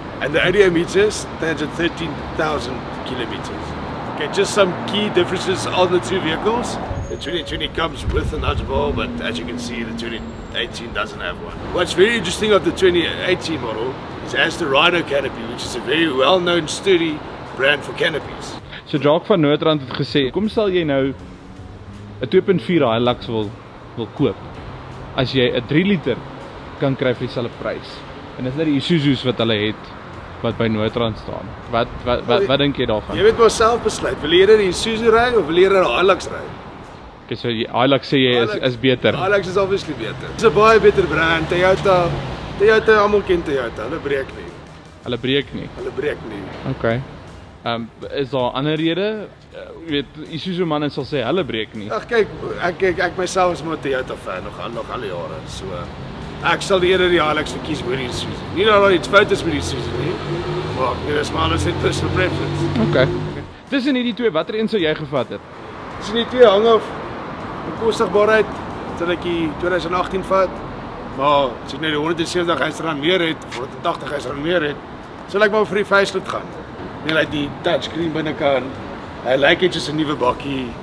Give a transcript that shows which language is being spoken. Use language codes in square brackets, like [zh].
[en] And the odometer stands at 13,000 kilometers. Okay, just some key differences on the two vehicles. The 2020 comes with a nudge bar, but as you can see, the 2018 doesn't have one. What's very interesting of the 2018 model is it has the Rhino canopy, which is a very well-known sturdy brand for canopies. [af] So Jacq van NoordRand het gesê, kom sal jy nou 'n 2.4 Hilux wil koop as jy 'n 3 liter kan kry vir dieselfde prys. En dis net die Isuzu's wat hulle het wat by NoordRand staan. Wat dink jy daarvan? Jy weet maar self besluit, wil jy die Isuzu ry of wil jy die Hilux ry? Okay, so die Hilux sê jy is beter. Die Hilux is obviously beter. Dis 'n baie beter brand, Toyota. Toyota, almal ken Toyota. Hulle breek nie. Hulle breek nie. Hulle breek nie. Okay. Is daar ander rede? Weet, Isuzu manne sal sê hulle breek nie. Ag kyk, ek myself is maar Toyota fan nog al die jare. So ek sal eerder die Hilux verkies oor die Isuzu. Nie dat daar iets fout is met die Isuzu nie, maar dit is maar net [en] personal preference. [af] Okay. Tussen hierdie twee, watter een sou jy gevat het? Tussen die twee hang af bekostigbaarheid, sal ek die 2018 vat. Maar as ek net die 170 R meer het, 180 R meer het, sal ek maar vir die facelift gaan. Hy lyk die touchscreen binnekant. Hy lyk net soos 'n nuwe bakkie.